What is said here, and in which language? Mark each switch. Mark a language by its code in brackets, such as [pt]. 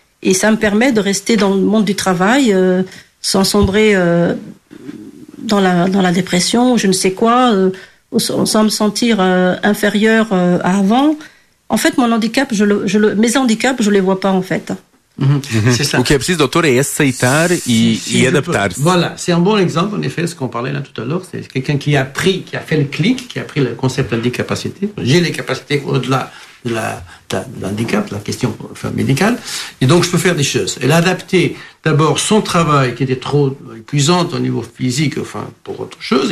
[fr] Et ça me permet de rester dans le monde du travail, sans sombrer dans la dépression ou je ne sais quoi, sans me sentir inférieur à avant. En fait, mon handicap, mes handicaps, je ne les vois pas en fait. C'est ça. [pt] O que é preciso, doutor, é aceitar e adaptar-se. [fr] Voilà, c'est un bon exemple, en effet, ce qu'on parlait là tout à l'heure. C'est quelqu'un qui a pris, qui a fait le clic, qui a pris le concept d'handicapacité. J'ai les capacités au-delà de l'handicap, de la question médicale. Et donc, je peux faire des choses. Elle a adapté d'abord son travail qui était trop épuisant au niveau physique, enfin, pour autre chose.